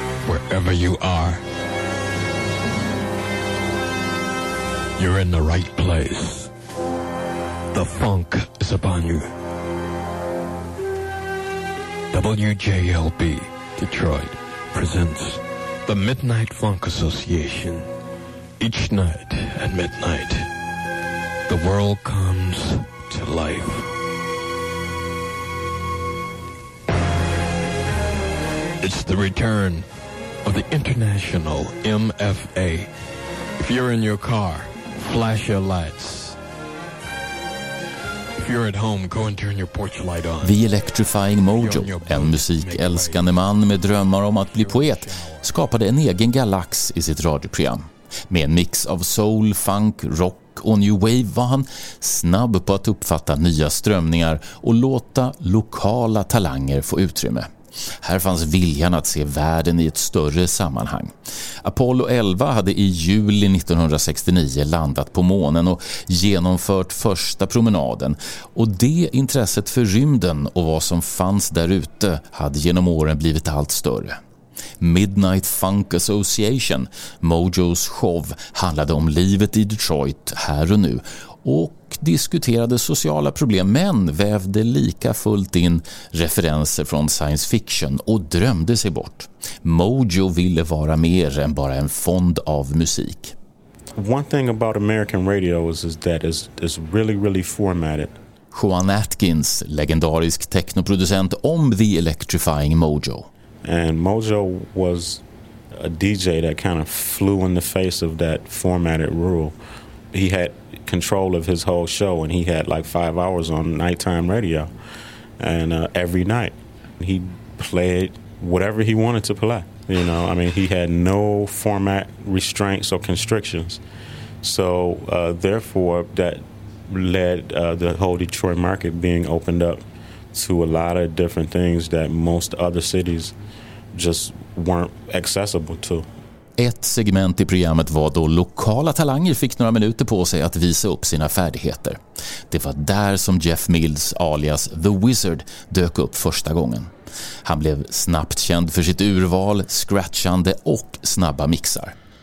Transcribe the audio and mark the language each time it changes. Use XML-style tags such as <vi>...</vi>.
<en>Wherever you are, you're in the right place. The funk is upon you. WJLB Detroit presents the Midnight Funk Association. Each night at midnight, the world comes to life. It's the return of the international MFA. If you're in your car, flash your lights. If you're at home, go and turn your porch light on.</en> <sv>The Electrifying Mojo, en musikälskande man med drömmar om att bli poet, skapade en egen galax i sitt radioprogram. Med en mix av soul, funk, rock och new wave var han snabb på att uppfatta nya strömningar och låta lokala talanger få utrymme. Här fanns viljan att se världen i ett större sammanhang. Apollo 11 hade i juli 1969 landat på månen och genomfört första promenaden. Och det intresset för rymden och vad som fanns där ute hade genom åren blivit allt större. Midnight Funk Association, Mojo's show, handlade om livet i Detroit här och nu och diskuterade sociala problem, men vävde lika fullt in referenser från science fiction och drömde sig bort. Mojo ville vara mer än bara en fond av musik.</sv> <en>One thing about American radio is that it's really, really formatted.</en> <sv>Juan Atkins, legendarisk teknoproducent om The Electrifying Mojo.</sv> <en>And Mojo was a DJ that kind of flew in the face of that formatted rule. He had control of his whole show, and he had like 5 hours on nighttime radio. And every night, he played whatever he wanted to play. You know, I mean, he had no format restraints or constrictions. So, therefore, that led the whole Detroit market being opened up to a lot of different things that most other cities just weren't accessible to.</en> <sv>Ett segment i programmet var då lokala talanger fick några minuter på sig att visa upp sina färdigheter. Det var där som Jeff Mills, alias The Wizard, dök upp första gången. Han blev snabbt känd för sitt urval, scratchande och snabba mixar.</sv>